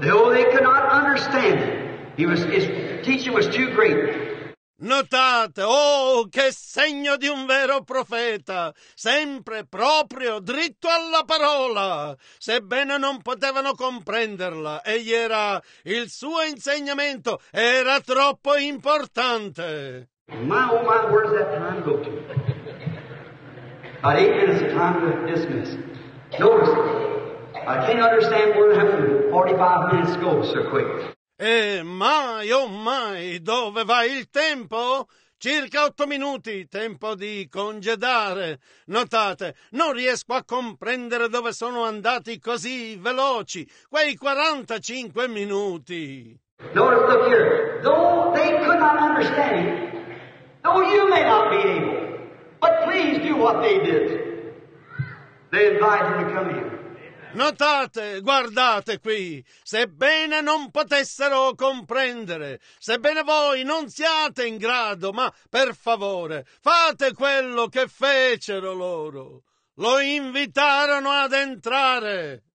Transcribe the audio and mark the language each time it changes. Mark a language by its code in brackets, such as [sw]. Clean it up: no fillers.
[en] Though they could not understand it. His teaching was too great. [it] Notate, oh, che segno di un vero profeta, sempre proprio dritto alla parola, sebbene non potevano comprenderla, egli era, il suo insegnamento era troppo importante. [en] My, oh my, where's that time go to? About 8 minutes of time to dismiss. Notice, I can't understand where that 45 minutes go so quick. [it] E mai, oh mai, dove va il tempo? Circa 8 minuti, tempo di congedare. Notate, non riesco a comprendere dove sono andati così veloci quei 45 minuti. [en] No, look here. Though they could not understand it, though you may not be able, but please do what they did. They invited him to come here. [it] Notate, guardate qui, sebbene non potessero comprendere, sebbene voi non siate in grado, ma per favore, fate quello che fecero loro. Lo invitarono ad entrare.